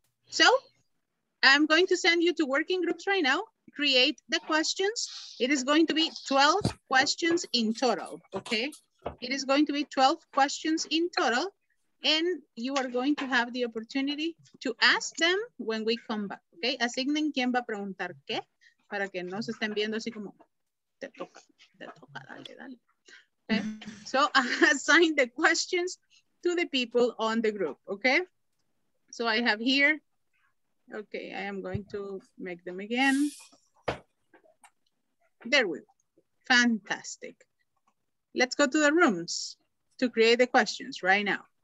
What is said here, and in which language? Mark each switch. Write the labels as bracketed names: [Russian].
[English] So I'm going to send you to working groups right now, create the questions. It is going to be 12 questions in total, okay? It is going to be 12 questions in total, and you are going to have the opportunity to ask them when we come back, okay? [Spanish] Asignen quién va a preguntar qué, para que no se estén viendo así como, te toca, dale, dale. [English] Okay? So assign the questions to the people on the group, okay? So I have here, okay, I am going to make them again. There we go. Fantastic. let's go to the rooms to create the questions right now.